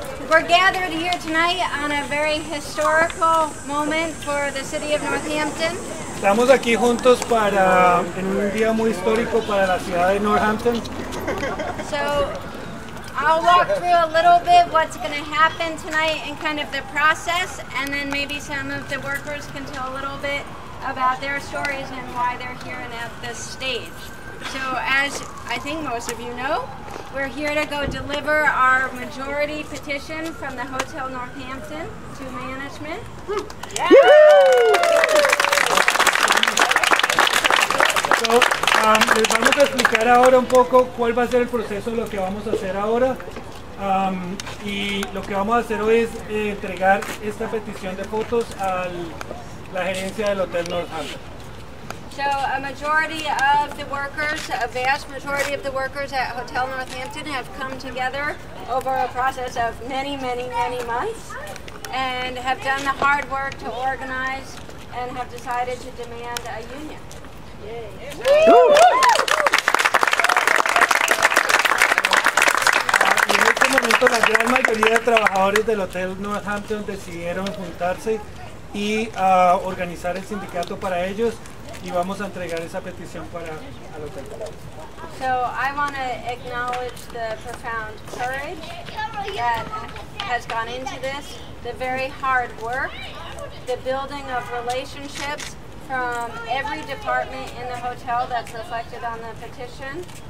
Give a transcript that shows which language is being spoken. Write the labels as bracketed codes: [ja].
[en] We're gathered here tonight on a very historical moment for the city of Northampton. [es] Estamos aquí juntos para en un día muy histórico para la ciudad de Northampton. [en] So I'll walk through a little bit what's going to happen tonight and kind of the process, and then maybe some of the workers can tell a little bit about their stories and why they're here and at this stage. So as I think most of you know, we're here to go deliver our majority petition from the Hotel Northampton to management. [es] So, les vamos a explicar ahora un poco cuál va a ser el proceso de lo que vamos a hacer ahora. Y lo que vamos a hacer hoy es entregar esta petición de fotos a la gerencia del Hotel Northampton. [en] So a majority of the workers, a vast majority of the workers at Hotel Northampton have come together over a process of many, many, many months and have done the hard work to organize and have decided to demand a union. [es] Y en este momento la gran mayoría de trabajadores del Hotel Northampton decidieron juntarse y organizar el sindicato para ellos y vamos a entregar esa petición para el hotel. [en] So I want to acknowledge the profound courage that has gone into this, the very hard work, the building of relationships from every department in the hotel that's reflected on the petition.